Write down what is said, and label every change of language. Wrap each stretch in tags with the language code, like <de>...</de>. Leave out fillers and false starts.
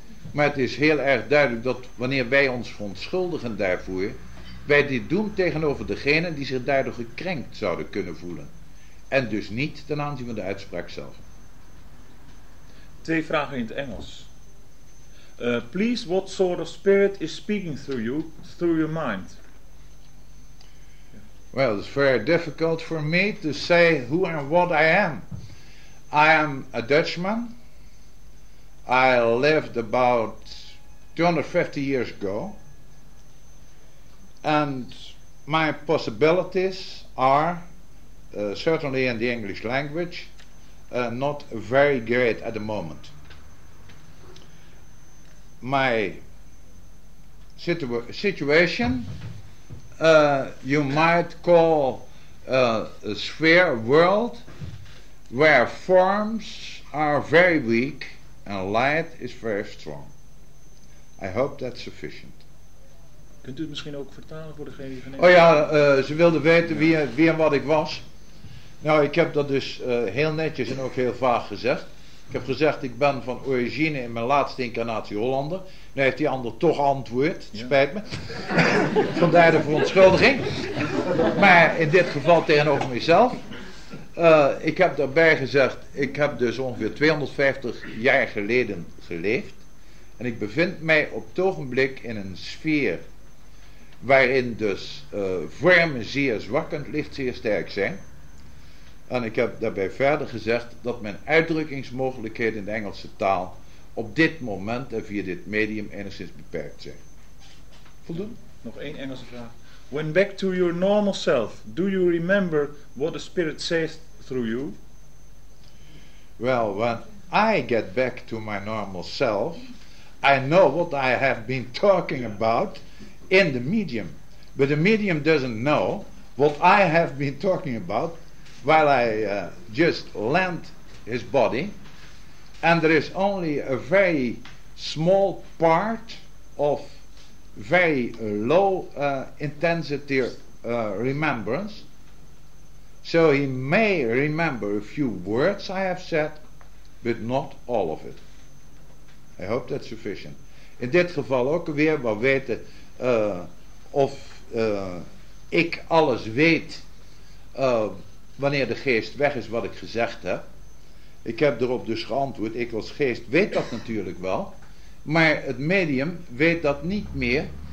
<nl>Maar het is heel erg duidelijk dat wanneer wij ons verontschuldigen daarvoor, wij dit doen tegenover degene die zich daardoor gekrenkt zouden kunnen voelen. En dus niet ten aanzien van de uitspraak zelf. Twee vragen in het Engels.</nl> <en>Please, what sort of spirit is speaking through you, through your mind? Well, it's very difficult for me to say who and what I am. I am a Dutchman. I lived about 250 years ago, and my possibilities are certainly in the English language not very great at the moment. My situation you might call a sphere, a world where forms are very weak and light is very strong. I hope that's sufficient.</en> <nl>Kunt u het misschien ook vertalen voor degene die van... Oh ja, ze wilden weten wie en wat ik was. Nou, ik heb dat dus heel netjes en ook heel vaag gezegd. Ik heb gezegd, ik ben van origine in mijn laatste incarnatie Hollander. Nu heeft die ander toch antwoord, het spijt me. Vandaar de verontschuldiging. Maar in dit geval tegenover mezelf. Ik heb daarbij gezegd, ik heb dus ongeveer 250 jaar geleden geleefd en ik bevind mij op het ogenblik in een sfeer waarin dus vormen zeer zwak en het licht zeer sterk zijn. En ik heb daarbij verder gezegd dat mijn uitdrukkingsmogelijkheden in de Engelse taal op dit moment en via dit medium enigszins beperkt zijn. Voldoende? Ja, nog één Engelse vraag.</nl> <en>When back to your normal self, do you remember what the spirit says through you? Well, when I get back to my normal self, I know what I have been talking about in the medium. But the medium doesn't know what I have been talking about while I just land his body. And there is only a very small part of very low intensity remembrance So he may remember a few words I have said, but not all of it. I hope that's sufficient.</en> <nl>In dit geval ook weer, maar weten of ik alles weet wanneer de geest weg is wat ik gezegd heb. Ik heb erop dus geantwoord, ik als geest weet dat natuurlijk wel, maar het medium weet dat niet meer.</nl>